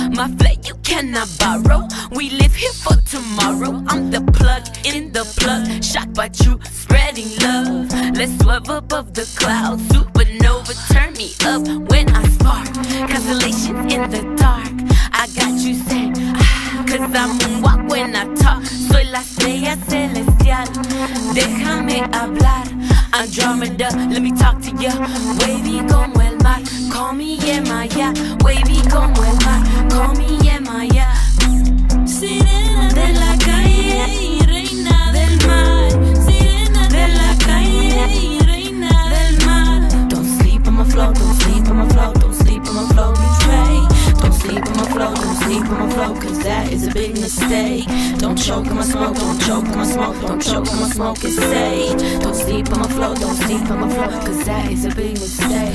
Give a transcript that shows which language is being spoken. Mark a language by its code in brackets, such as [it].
[en] My flat you cannot borrow. We live here for tomorrow. I'm the plug in the plug. Shocked by truth, spreading love. Let's swerve above the clouds. Supernova, turn me up when I spark. Constellations in the dark. I got you say, cause I moonwalk when I talk. [es] Soy la estrella celestial. Déjame hablar. [en] Andromeda, let me talk to ya. [es] Wavy como el mar. [en] Call me Yemaya. [es] Wavy como el mar. [en] Call me Yemaya. [es] Sirena de la calle y reina del mar. Sirena de la calle y reina del mar. [en] Don't sleep on my flow, don't sleep on my flow, don't sleep on my flow, betray. Don't sleep on my flow, don't sleep on my flow, cause that is a big mistake. Don't choke on my smoke, don't choke on my smoke, don't choke on my smoke, it's sage. Don't sleep on my flow, don't sleep on my flow, cause that is a big mistake.